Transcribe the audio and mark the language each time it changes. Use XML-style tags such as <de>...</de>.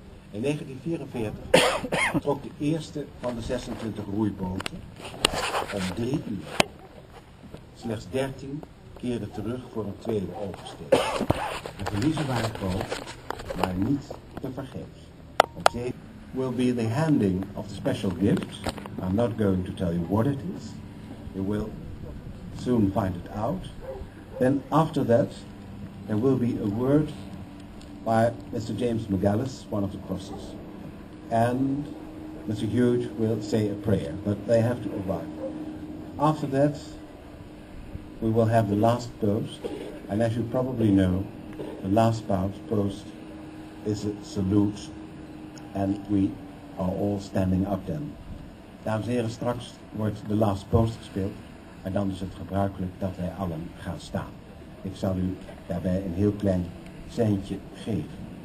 <nl>In 1944 trok de eerste van de 26 roeiboten om 3 uur. Slechts 13 keerden terug voor een tweede oversteek. De verliezen waren groot, maar niet te vergeefs.</nl> <en>Today will be the handing of the special gift. I'm not going to tell you what it is. You will soon find it out. Then after that, there will be a word by Mr. James Megellas, one of the crossers. And Mr. Hughes will say a prayer, but they have to arrive. After that, we will have the last post, and as you probably know, the last post is a salute, and we are all standing up then.</en> <nl>Dames en heren, straks wordt de last post gespeeld, en dan is het gebruikelijk dat wij allen gaan staan. Ik zal u daarbij een heel klein seintje geven.</nl>